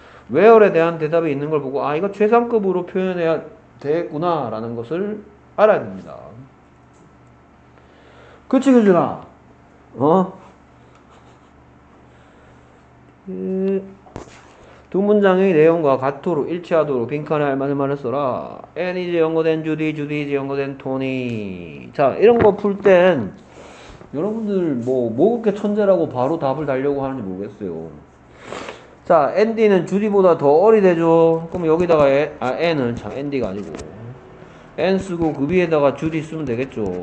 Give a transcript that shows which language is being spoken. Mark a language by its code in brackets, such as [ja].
[ko] Where에 대한 대답이 있는 걸 보고 아 이거 최상급으로 표현해야 되겠구나라는 것을 알아야 됩니다. 그치, 그준아? 어? 두 문장의 내용과 같도록 일치하도록 빈칸에 알맞은 말을 써라. [en] Anne is younger than Judy, Judy is younger than Tony. [ko] 자, 이런 거풀땐 여러분들 뭐 그렇게 천재라고 바로 답을 달려고 하는지 모르겠어요. 자, Andy는 Judy보다 더 어리대죠. 그럼 여기다가 Anne은 참 Andy가 아니고 Anne 쓰고 그 위에다가 Judy 쓰면 되겠죠.